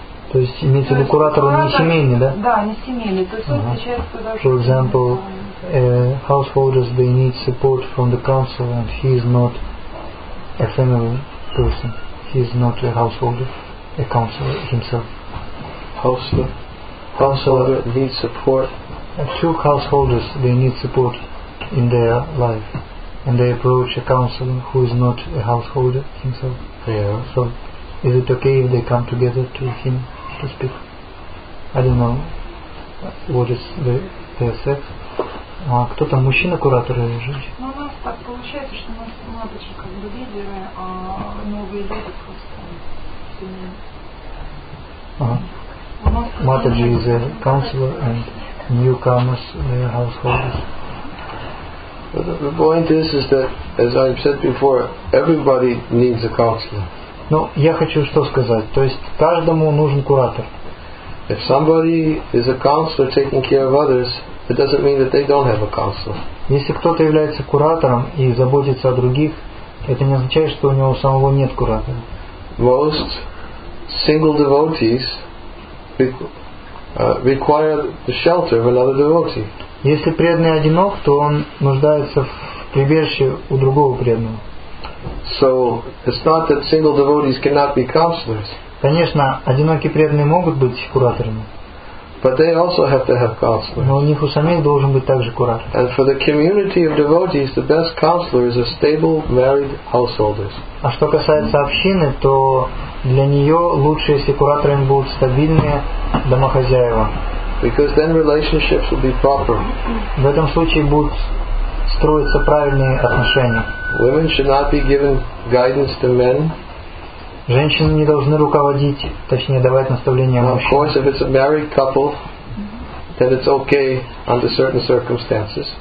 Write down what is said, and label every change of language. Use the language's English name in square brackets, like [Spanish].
[Russian] То есть имеется в виду куратор, он не семейный, да? Да, не семейный. То есть он встречается [English] For example, householders, they need support from the council and he is not a family person. He is not a householder, a counselor himself. Householder needs support. Two householders, they need support in their life. And they approach a counselor who is not a householder himself. Yeah. So, is it okay if they come together to him to speak? I don't know what is the sex. [Russian] А кто там, мужчина, куратор или женщина? Ну, у нас так получается, что у нас младшие как бы лидеры, а новые люди просто сильные. [English] Матаджи is a counselor and newcomers, they are householders. The point is that, as I said before, everybody needs a counselor. [Russian] Ну, я хочу что сказать. То есть каждому нужен куратор. [English] If somebody is a counselor taking care of others, it doesn't mean that they don't have a counselor. [Russian] Если кто-то является куратором и заботится о других, это не означает, что у него самого нет куратора. [English] Most single devotees require the shelter of another devotee. [Russian] Если преданный одинок, то он нуждается в прибежище у другого преданного. [English] So it's not that single devotees cannot be counselors. [Russian] Конечно, одинокие преданные могут быть кураторами. [English] But they also have to have counselors. [Russian] Но у них у самих должен быть также куратор. [English] And for the community of devotees, the best counselor is a stable married householder. [Russian] А что касается общины, то для нее лучше, если кураторами будут стабильные домохозяева. [English] Because then relationships will be proper. [Russian] В этом случае будут строятся правильные отношения. [English] Women should not be given guidance to men. [Russian] Женщины не должны руководить, точнее давать наставления мужчинам. [English] Of course, if it's a married couple, then it's okay under certain circumstances.